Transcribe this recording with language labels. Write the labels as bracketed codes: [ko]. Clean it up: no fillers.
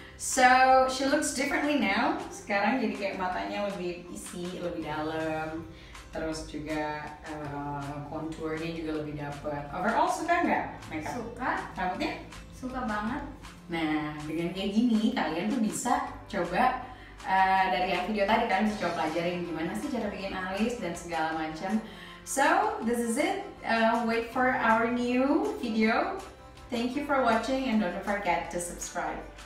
[en] So she looks differently now. [id] Sekarang jadi kayak matanya lebih isi, lebih dalam. Terus juga contournya juga lebih dapet. Overall suka nggak makeup? Suka. Rambutnya? Suka banget. Nah, dengan kayak gini kalian tuh bisa coba dari yang video tadi kalian bisa coba pelajarin gimana sih cara bikin alis dan segala macam. [en] So this is it. Wait for our new video. Thank you for watching and don't forget to subscribe.